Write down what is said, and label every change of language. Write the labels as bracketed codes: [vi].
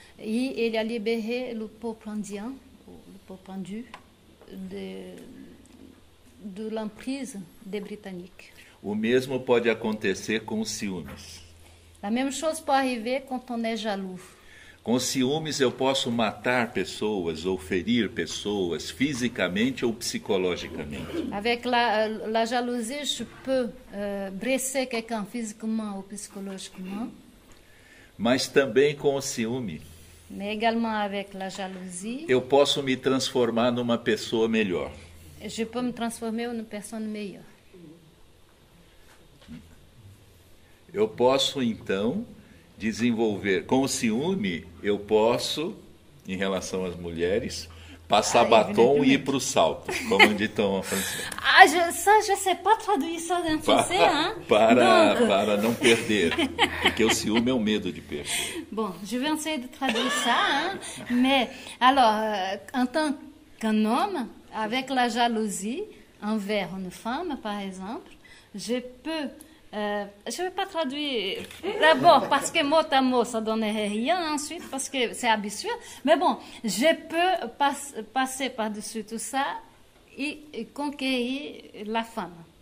[fr] Et il a libéré le peuple indien, le peuple hindu, de l'emprise des Britanniques. [pt] O mesmo pode acontecer com os ciúmes. [fr] La même chose peut arriver quand on est jaloux. [pt] Com ciúmes eu posso matar pessoas ou ferir pessoas fisicamente ou psicologicamente. [fr] Avec la jalousie, je peux blesser quelqu'un physiquement ou psychologiquement. [pt] Mas também com o ciúme. [fr] Mais également avec la jalousie. [pt] Eu posso me transformar numa pessoa melhor. [fr] Je peux me transformer en une personne meilleure. [pt] Eu posso então desenvolver com o ciúme, eu posso, em relação às mulheres, passar batom e ir para o salto, como ditam a francesa. [fr] Ah, je sais pas traduire ça en français, hein? [pt] Para não perder, porque o ciúme é o medo de perder. [fr] Bom, je vais essayer de traduire ça, hein? Mais, alors, en tant qu'un homme, avec la jalousie envers une femme, par exemple, je peux. Je ne vais pas traduire d'abord parce que mot à mot ça ne donnerait rien, ensuite parce que c'est absurde, mais bon, je peux passer par-dessus tout ça et conquérir la femme.